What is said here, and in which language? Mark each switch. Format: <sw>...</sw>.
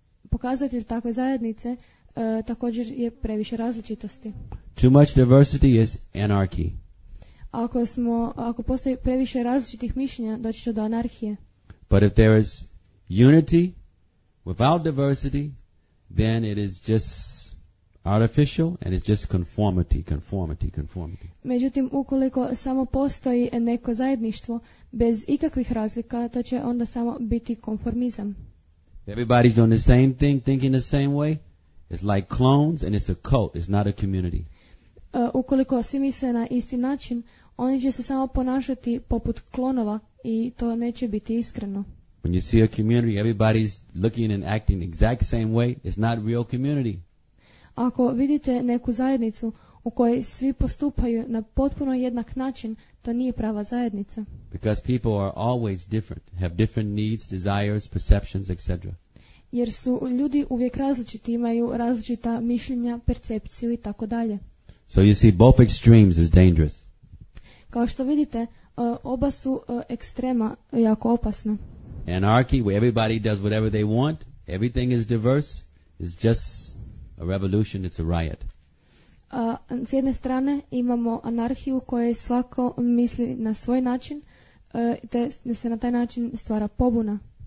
<hr>Pokazatelj takve zajednice također je previše različitosti.</hr> <en>Too much diversity is anarchy.</en> <hr>Ako postoji previše različitih mišljenja, doći će do anarhije.</hr> <en>But if there is unity without diversity, then it is just artificial and it's just conformity, conformity, conformity.</en> <hr>Međutim, ukoliko samo postoji neko zajedništvo bez ikakvih razlika, to će onda samo biti konformizam.</hr> <en>Everybody's doing the same thing, thinking the same way. It's like clones and it's a cult, it's not a community.</en> <hr>Ukoliko svi misle na isti način, oni će se samo ponašati poput klonova i to neće biti iskreno.</hr> <en>When you see a community, everybody's looking and acting exact same way, it's not real community.</en> <hr>Ako vidite neku zajednicu u kojoj svi postupaju na potpuno jednak način, to nije prava zajednica.</hr> <en>Because people are always different, have different needs, desires, perceptions, etc.</en> <hr>Jer su ljudi uvijek različiti, imaju različita mišljenja, percepciju i tako dalje.</hr> <en>So you see both extremes is dangerous.</en> <hr>Kao što vidite, oba su ekstrema jako opasna.</hr> <en>Anarchy, where everybody does whatever they want, everything is diverse, is just a revolution, it's a riot.</en> <hr>S jedne strane imamo anarhiju koju svako misli na svoj način, te se na taj način stvara pobuna.</hr>